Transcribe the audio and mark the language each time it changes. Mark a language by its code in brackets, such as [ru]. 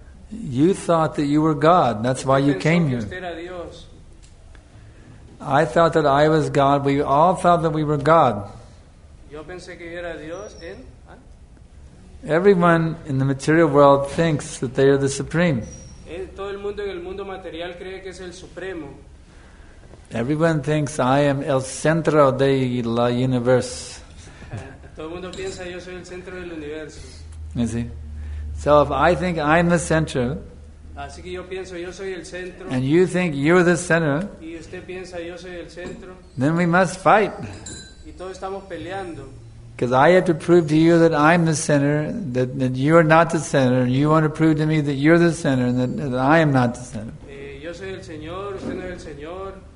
[en] You thought that you were God. That's why you came here. [es] Usted era Dios. [en] I thought that I was God. We all thought that we were God. [es] Yo pensé que yo era Dios. [en] Everyone in the material world thinks that they are the supreme. [es] Todo el mundo en el mundo material cree que es el supremo. [en] Everyone thinks I am [es] el centro de la [en] universe. [es] Todo el mundo piensa yo soy el centro del universo. [en] You see? So if I think I'm the center, [es] así que yo pienso yo soy el centro, [en] and you think you're the center, [es] y usted piensa yo soy el centro, [en] then we must fight. [es] Y todos estamos peleando. [en] Because I have to prove to you that I'm the center, that you are not the center, and you want to prove to me that you're the center, and that I am not the center. [es] Yo soy el señor, usted no es el señor.